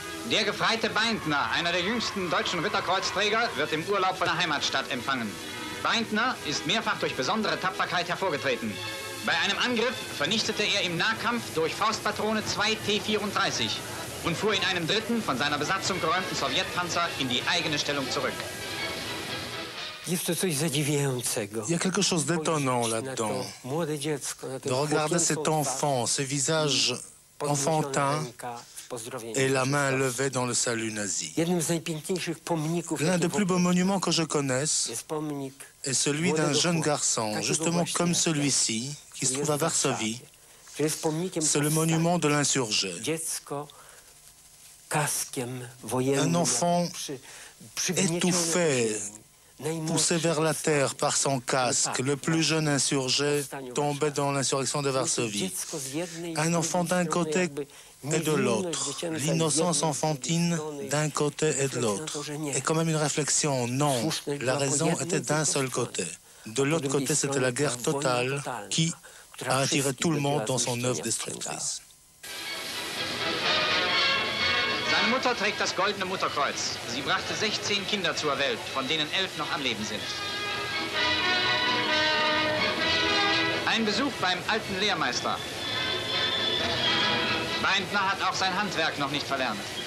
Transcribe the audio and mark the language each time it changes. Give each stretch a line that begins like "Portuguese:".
German: Der gefreite Beintner, einer der jüngsten deutschen Ritterkreuzträger, wird im Urlaub von der Heimatstadt empfangen. Beintner ist mehrfach durch besondere Tapferkeit hervorgetreten. Bei einem Angriff vernichtete er im Nahkampf durch Faustpatrone 2 T-34 und fuhr in einem dritten von seiner Besatzung geräumten Sowjetpanzer in die eigene Stellung zurück.
French: Il y a quelque chose d'étonnant là-dedans. De regarder cet enfant, ce visage enfantin et la main levée dans le salut nazi. L'un des plus beaux monuments que je connaisse est celui d'un jeune garçon, justement comme celui-ci, qui se trouve à Varsovie. C'est le monument de l'insurgé. Un enfant étouffé, poussé vers la terre par son casque, le plus jeune insurgé tombait dans l'insurrection de Varsovie. Un enfant d'un côté et de l'autre, l'innocence enfantine d'un côté et de l'autre. Et quand même une réflexion, non, la raison était d'un seul côté. De l'autre côté, c'était la guerre totale qui a attiré tout le monde dans son œuvre destructrice.
German: Seine Mutter trägt das goldene Mutterkreuz. Sie brachte 16 Kinder zur Welt, von denen 11 noch am Leben sind. Ein Besuch beim alten Lehrmeister. Beintner hat auch sein Handwerk noch nicht verlernt.